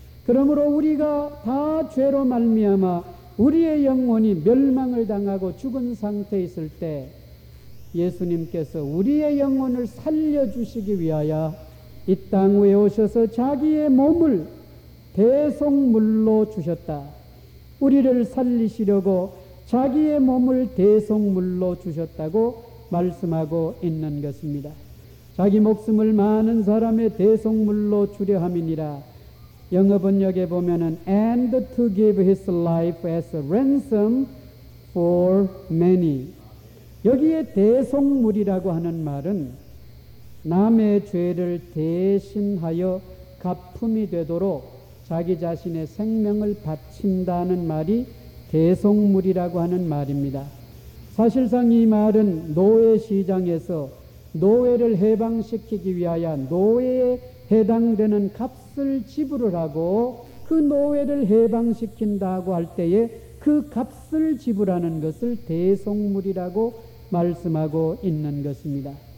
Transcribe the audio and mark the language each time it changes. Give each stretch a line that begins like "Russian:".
Korean: 그러므로 우리가 다 죄로 말미암아 우리의 영혼이 멸망을 당하고 죽은 상태에 있을 때 예수님께서 우리의 영혼을 살려주시기 위하여 이 땅 위에 오셔서 자기의 몸을 대속물로 주셨다. 우리를 살리시려고 자기의 몸을 대속물로 주셨다고 말씀하고 있는 것입니다. 자기 목숨을 많은 사람의 대속물로 주려 함이니라. 영어 번역에 보면은
English: and to give his life as a ransom for many.
Korean: 여기에 대속물이라고 하는 말은 남의 죄를 대신하여 갚음이 되도록 자기 자신의 생명을 바친다는 말이 대속물이라고 하는 말입니다. 사실상 이 말은 노예 시장에서 노예를 해방시키기 위하여 노예에 해당되는 값을 지불을 하고 그 노예를 해방시킨다고 할 때에 그 값을 지불하는 것을 대속물이라고 말씀하고 있는 것입니다.